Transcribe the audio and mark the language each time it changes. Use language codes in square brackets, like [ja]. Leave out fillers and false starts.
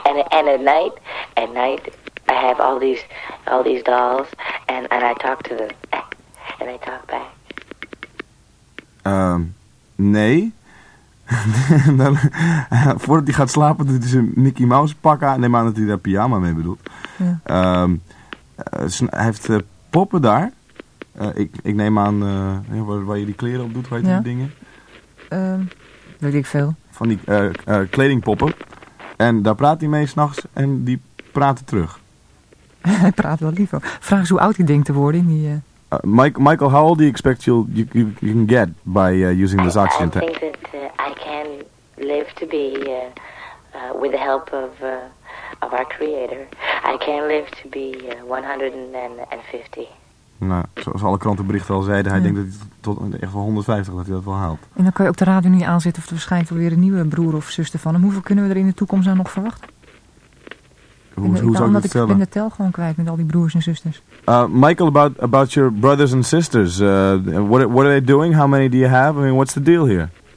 [en] And at night, I have all these dolls, and I talk to them, and I talk back. [nl] Nee. Dan, voordat hij gaat slapen, doet hij zijn Mickey Mouse pak aan. Neem aan dat hij daar pyjama mee bedoelt. Ja. Hij heeft poppen daar. Ik neem aan waar je die kleren op doet, weet je die dingen? Weet ik veel. Van die kledingpoppen. En daar praat hij mee 's nachts en die praten terug. Hij praat wel liever. Vraag eens hoe oud hij denkt te worden in die... [en] Michael, how old do you expect you can get by using this oxygen tank? I think that I can live to be, with the help of our creator, I can live to be 150. [nl] Nou, zoals alle krantenberichten al zeiden, hij denkt dat hij tot echt wel 150 dat hij dat wel haalt. En dan kan je op de radio nu aanzetten of er verschijnt weer een nieuwe broer of zuster van hem. Hoeveel kunnen we er in de toekomst dan nog verwachten? Hoe zou ik dat stellen? Ik ben de tel gewoon kwijt met al die broers en zusters. [en] Michael, about your brothers and sisters. What are they doing? How many do you have? I mean, what's the deal here?